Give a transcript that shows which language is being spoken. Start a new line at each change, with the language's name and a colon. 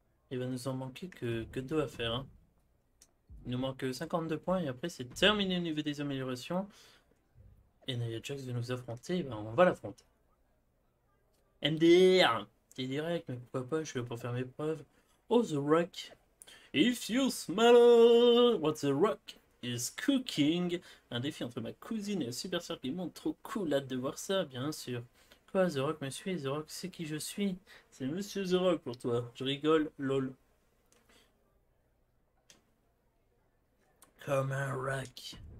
French: Il va nous en manquer que deux à faire. Hein. Il nous manque 52 points, et après c'est terminé au niveau des améliorations. Et Nia Jax veut nous affronter, ben on va l'affronter. MDR, c'est direct, mais pourquoi pas, je suis là pour faire mes preuves. Oh, The Rock.
English: If you smell what The Rock is cooking.
French: Un défi entre ma cousine et la superstar qui monte. Trop cool, hâte de voir ça, bien sûr. Quoi, The Rock, monsieur? The Rock, c'est qui je suis? C'est monsieur The Rock pour toi. Je rigole, lol. Comme un rock.